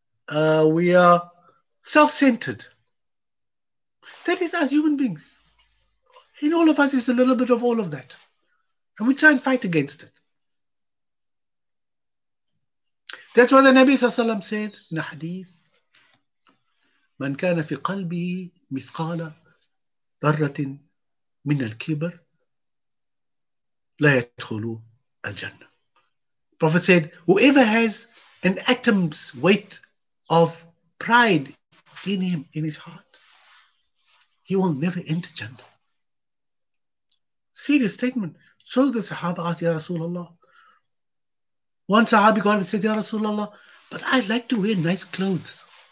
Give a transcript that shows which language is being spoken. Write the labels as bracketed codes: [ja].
[en] We are self-centered. That is us human beings. In all of us is a little bit of all of that. And we try and fight against it. That's why the Nabi Sallallahu Alaihi Wasallam said in the hadith, [ar] من كان في قلبه مثقال ذرة من الكبر لا يدخل الجنة. [en] Prophet said, whoever has an atom's weight of pride in him, in his heart, he will never enter Jannah. Serious statement. So the Sahaba asked, Ya Rasulullah. One Sahabi got and said, Ya Rasulullah, but I like to wear nice clothes.